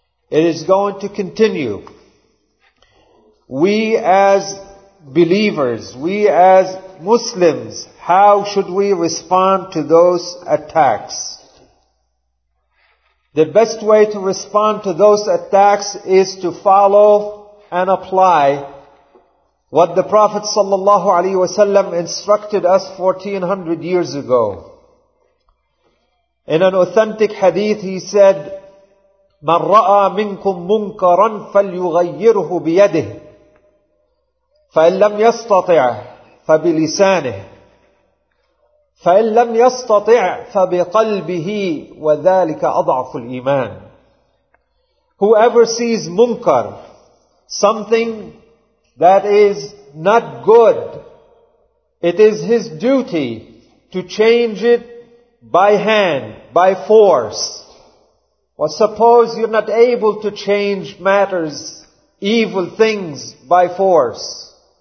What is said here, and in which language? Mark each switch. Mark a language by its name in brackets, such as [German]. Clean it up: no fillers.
[English] It is going to continue. We as believers, we as Muslims, how should we respond to those attacks? The best way to respond to those attacks is to follow and apply what the Prophet sallallahu alaihi wasallam instructed us 1400 years ago. In an authentic hadith, he said, [Arabic] "من رأى منكم منكرا فليغيره بيده فإن لم يستطع فبلسانه فإن لم يستطع فبقلبه وذلك أضعف الإيمان." [English] Whoever sees munkar, something that is not good, it is his duty to change it by hand, by force. Well, suppose you're not able to change matters, evil things, by force.